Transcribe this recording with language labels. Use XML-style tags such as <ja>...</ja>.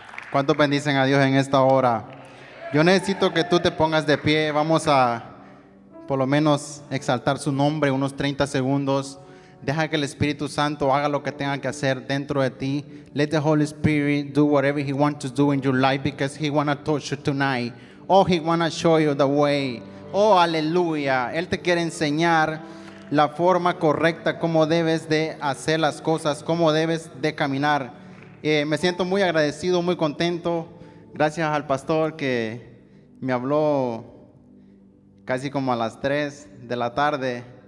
<es>¿Cuántos bendicen a Dios en esta hora? Yo necesito que tú te pongas de pie. Vamos a por lo menos exaltar su nombre unos 30 segundos. Deja que el Espíritu Santo haga lo que tenga que hacer dentro de ti.</es> <en>Let the Holy Spirit do whatever he wants to do in your life, because he wants to touch you tonight. Oh, he wants to show you the way.</en> <es>Oh, aleluya. Él te quiere enseñar la forma correcta, cómo debes de hacer las cosas, cómo debes de caminar. Me siento muy agradecido, muy contento. Gracias al pastor que me habló casi como a las 3 de la tarde.</es>